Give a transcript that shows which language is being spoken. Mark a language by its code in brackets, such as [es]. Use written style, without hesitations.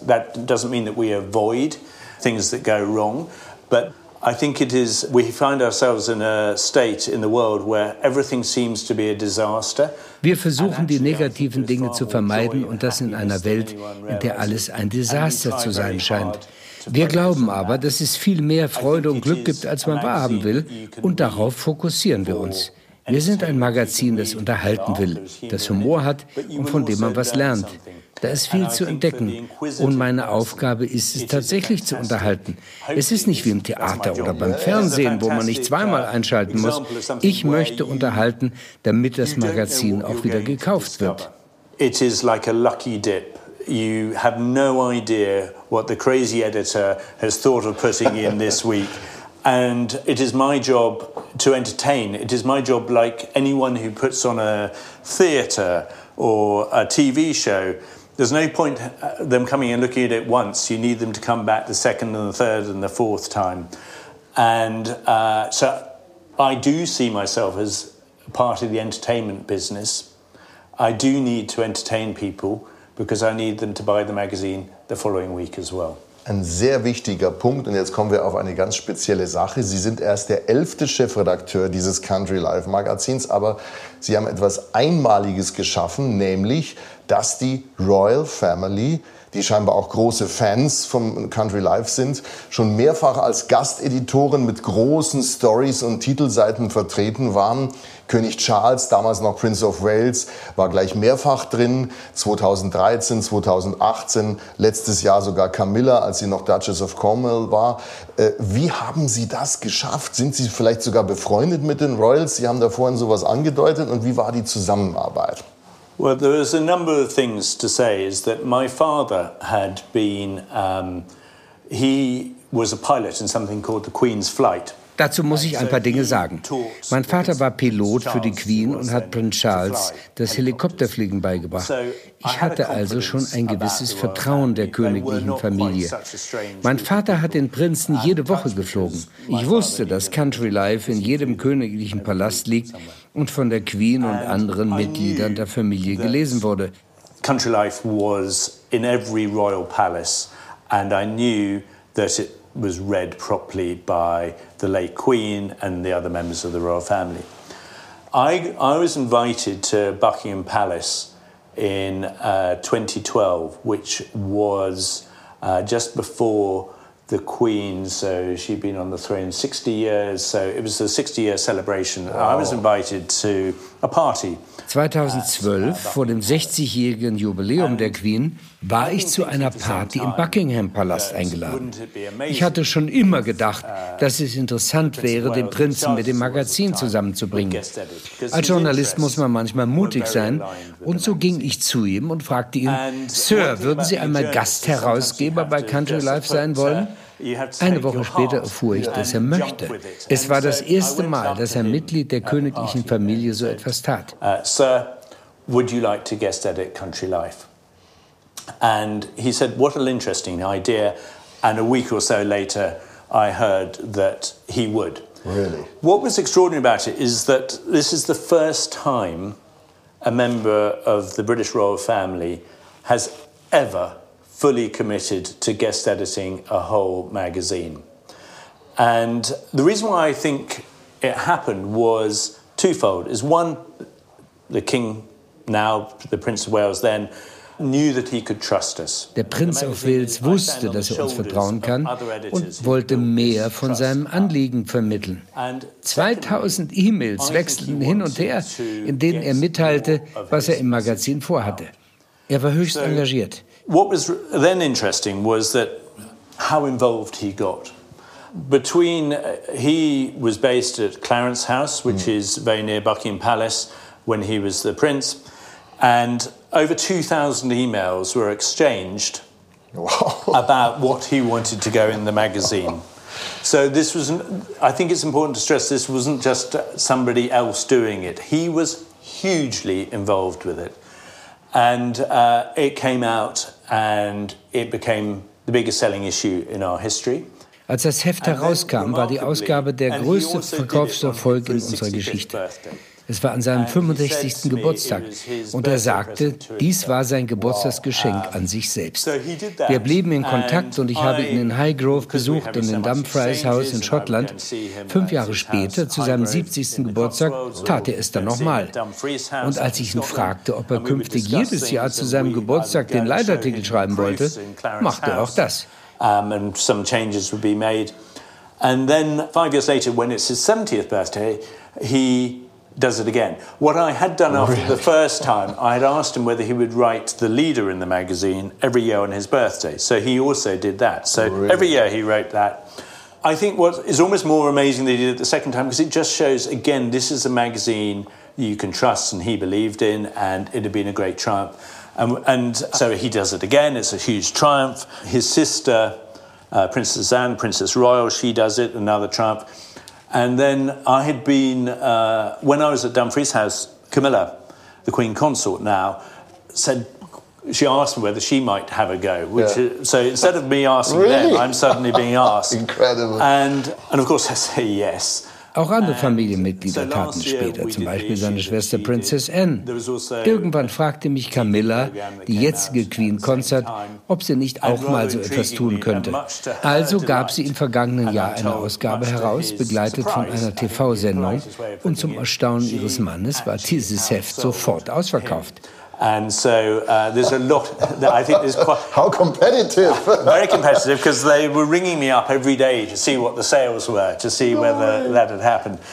[en] That doesn't mean that we avoid things that go wrong, but I think it is, we find ourselves in a state in the world where everything seems to be a disaster. [de] Wir versuchen, die negativen Dinge zu vermeiden und das in einer Welt, in der alles ein Desaster zu sein scheint. Wir glauben aber, dass es viel mehr Freude und Glück gibt, als man wahrhaben will, und darauf fokussieren wir uns. Wir sind ein Magazin, das unterhalten will, das Humor hat und von dem man was lernt. Da ist viel zu entdecken. Und meine Aufgabe ist es tatsächlich zu unterhalten. Es ist nicht wie im Theater oder beim Fernsehen, wo man nicht zweimal einschalten muss. Ich möchte unterhalten, damit das Magazin auch wieder gekauft wird. [en] It is like a lucky dip. You have no idea what the crazy editor has thought of putting in this week. And it is my job to entertain. It is my job, like anyone who puts on a theater or a TV show. There's no point them coming and looking at it once. You need them to come back the second and the third and the fourth time. And so I do see myself as part of the entertainment business. I do need to entertain people because I need them to buy the magazine the following week as well. [de] Ein sehr wichtiger Punkt, und jetzt kommen wir auf eine ganz spezielle Sache. Sie sind erst der 11. Chefredakteur dieses Country Life Magazins, aber Sie haben etwas Einmaliges geschaffen, nämlich, dass die Royal Family, die scheinbar auch große Fans vom Country Life sind, schon mehrfach als Gasteditoren mit großen Stories und Titelseiten vertreten waren. König Charles, damals noch Prince of Wales, war gleich mehrfach drin, 2013, 2018, letztes Jahr sogar Camilla, als sie noch Duchess of Cornwall war. Wie haben Sie das geschafft? Sind Sie vielleicht sogar befreundet mit den Royals? Sie haben da vorhin sowas angedeutet. Und wie war die Zusammenarbeit? [en] Well, there was a number of things to say. Is that my father had been, he was a pilot in something called the Queen's Flight. [de] Dazu muss ich ein paar Dinge sagen. Mein Vater war Pilot für die Queen und hat Prinz Charles das Helikopterfliegen beigebracht. Ich hatte also schon ein gewisses Vertrauen der königlichen Familie. Mein Vater hat den Prinzen jede Woche geflogen. Ich wusste, dass Country Life in jedem königlichen Palast liegt und von der Queen und anderen Mitgliedern der Familie gelesen wurde. [en] Country Life was in every royal palace and I knew that it was read properly by the late Queen and the other members of the royal family. I was invited to Buckingham Palace in 2012, which was just before the Queen, so she'd been on the throne 60 years, so it was a 60-year celebration. Wow. I was invited to a party. [de] 2012, vor dem 60-jährigen Jubiläum der Queen, war ich zu einer Party im Buckingham-Palast eingeladen. Ich hatte schon immer gedacht, dass es interessant wäre, den Prinzen mit dem Magazin zusammenzubringen. Als Journalist muss man manchmal mutig sein. Und so ging ich zu ihm und fragte ihn, Sir, würden Sie einmal Gastherausgeber bei Country Life sein wollen? Eine Woche später erfuhr ich, dass er möchte. Es war das erste Mal, dass ein Mitglied der königlichen Familie so etwas tat. [en] Sir, would you like to guest edit Country Life? And he said, what an interesting idea. And a week or so later, I heard that he would. Really? What was extraordinary about it is that this is the first time a member of the British royal family has ever fully committed to guest editing a whole magazine. And the reason why I think it happened was twofold. Is one, the King now, the Prince of Wales then, knew that he could trust us. [de] Der Prinz of Wales wusste, dass er uns vertrauen kann und wollte mehr von seinem Anliegen vermitteln. 2000 E-Mails wechselten hin und her, in denen er mitteilte, was er im Magazin vorhatte. Er war höchst engagiert. [en] What was then interesting was that how involved he got. Between he was based at Clarence House, which is very near Buckingham Palace, when he was the prince, and over 2,000 emails were exchanged about what he wanted to go in the magazine. So this was, I think it's important to stress, this wasn't just somebody else doing it. He was hugely involved with it. And it came out and it became the biggest selling issue in our history. [de] Als das Heft herauskam, war die Ausgabe der größte Verkaufserfolg in unserer Geschichte. Es war an seinem 65. Geburtstag. Und er sagte, dies war sein Geburtstagsgeschenk an sich selbst. Wir blieben in Kontakt und ich habe ihn in Highgrove besucht und in Dumfries House in Schottland. 5 Jahre später, zu seinem 70. Geburtstag, tat er es dann nochmal. Und als ich ihn fragte, ob er künftig jedes Jahr zu seinem Geburtstag den Leitartikel schreiben wollte, machte er auch das. [en] And some changes would be made. And then 5 years later, when it's his 70th birthday, he does it again. What I had done after the first time, I had asked him whether he would write the leader in the magazine every year on his birthday. So he also did that. So every year he wrote that. I think what is almost more amazing that he did it the second time, because it just shows, again, this is a magazine you can trust and he believed in, and it had been a great triumph. And so he does it again. It's a huge triumph. His sister, Princess Anne, Princess Royal, she does it, another triumph. And then I had been, when I was at Dumfries House, Camilla, the Queen Consort now, said, she asked me whether she might have a go. So instead of me asking them, I'm suddenly being asked. Incredible. And of course I say yes. [de] Auch andere Familienmitglieder taten später, zum Beispiel seine Schwester Princess Anne. Irgendwann fragte mich Camilla, die jetzige Queen Consort, ob sie nicht auch mal so etwas tun könnte. Also gab sie im vergangenen Jahr eine Ausgabe heraus, begleitet von einer TV-Sendung. Und zum Erstaunen ihres Mannes war dieses Heft sofort ausverkauft. [en] And so there's a lot that I think is quite... How competitive! Very competitive, because they were ringing me up every day to see what the sales were, to see whether that had happened.